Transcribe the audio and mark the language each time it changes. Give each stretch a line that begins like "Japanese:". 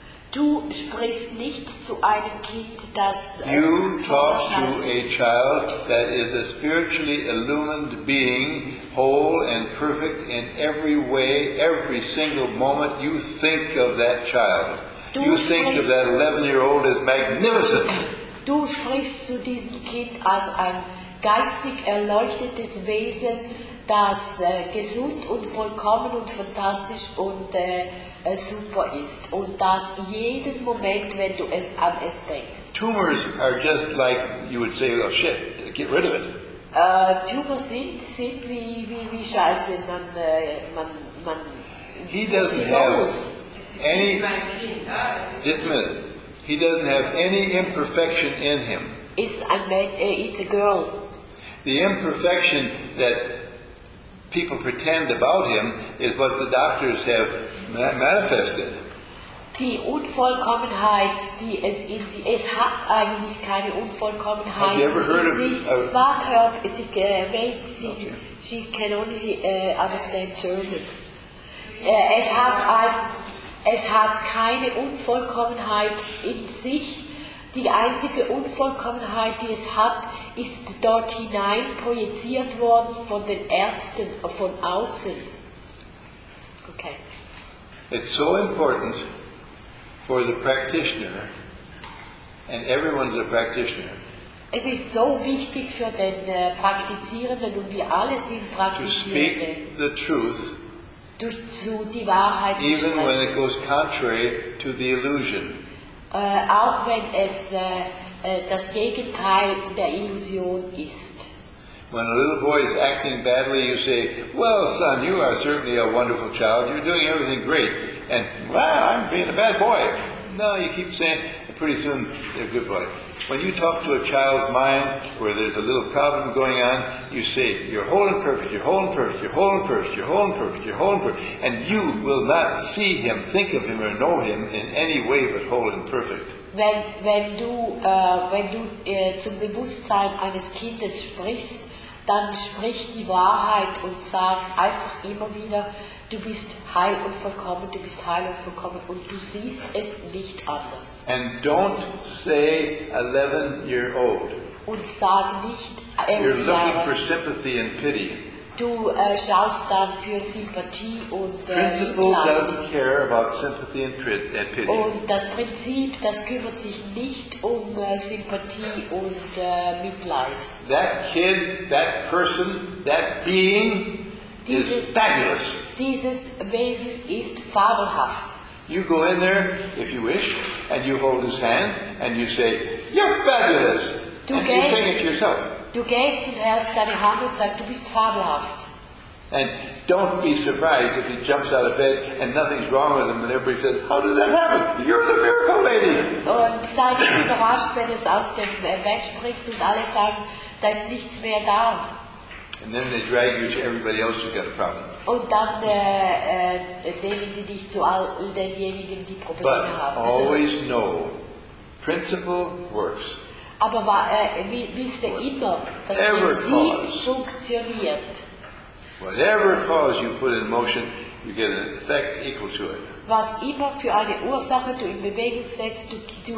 German: Du sprichst nicht zu einem Kind, das
English: you talk to a child that is a spiritually illumined being, whole and perfect in every way, every single moment you think of that child. You think of that 11-year-old as magnificent.
German: Du sprichst zu diesem Kind als ein geistig erleuchtetes Wesen, das gesund und vollkommen und fantastisch und super ist. Und das jeden Moment, wenn du es an es denkst.
English: Tumors are just like, you would say, oh shit, get rid of it.
German: Tumors sind wie Scheiße, man
English: he doesn't have any, just a minute. He doesn't have any imperfection in him. It's a girl. The imperfection that people pretend about him is what the doctors have manifested.
German: die Unvollkommenheit, die es in sie, es hat eigentlich keine Unvollkommenheit in sich.
English: What help is it made? She can only understand German.
German: Es hat keine Unvollkommenheit in sich. Die einzige Unvollkommenheit, die es hat, ist dort hinein projiziert worden von den Ärzten von außen.
English: Okay. It's so important for the practitioner, and everyone's a practitioner.
German: Es ist so wichtig für den Praktizierenden, und wir alle sind Praktizierende.
English: To speak the truth,
German: zu die Wahrheit zu sprechen,
English: even when it goes contrary to the illusion.
German: Auch wenn es das Gegenteil der Illusion ist.
English: When a little boy is acting badly, you say, "Well, son, you are certainly a wonderful child. You're doing everything great." And, "Wow, I'm being a bad boy." No, you keep saying, and pretty soon they're a good boy. When you talk to a child's mind where there's a little problem going on, you say, "You're whole and perfect, you're whole and perfect, you're whole and perfect, you're whole and perfect, you're whole and perfect." And you will not see him, think of him, or know him in any way but whole and perfect.
German: Wenn du zum Bewusstsein eines Kindes sprichst, dann sprich die Wahrheit und sag einfach immer wieder, du bist heil und vollkommen, du bist heil und vollkommen, und du siehst es nicht anders.
English: And don't say 11 year old.
German: Und sag nicht 11
English: Jahre. You're looking for sympathy and pity.
German: Du schaust dann für Sympathie und Mitleid. Und das Prinzip, das kümmert sich nicht um Sympathie und Mitleid.
English: That kid, that person, that being is fabulous.
German: Dieses Wesen ist fabelhaft.
English: You go in there, if you wish, and you hold his hand, and you say, "You're fabulous."
German: Du
English: and
German: gehst,
English: you sing it to yourself.
German: Du gehst und hältst deine Hand und sagst, du bist fabelhaft.
English: And don't be surprised if he jumps out of bed and nothing's wrong with him, and everybody says, "How did that happen? You're the miracle lady."
German: Und sei nicht überrascht, wenn es aus dem Bett spricht und alle sagen, da ist nichts mehr da. And then they drag you to everybody else who's got a problem. Und dann nehmen die dich zu all denjenigen, die Probleme
English: But
German: haben.
English: But always know, principle works.
German: Aber wisse immer, dass Prinzip funktioniert.
English: Whatever cause you put in motion, you get an effect equal to it.
German: Was immer für eine Ursache du in Bewegung setzt, du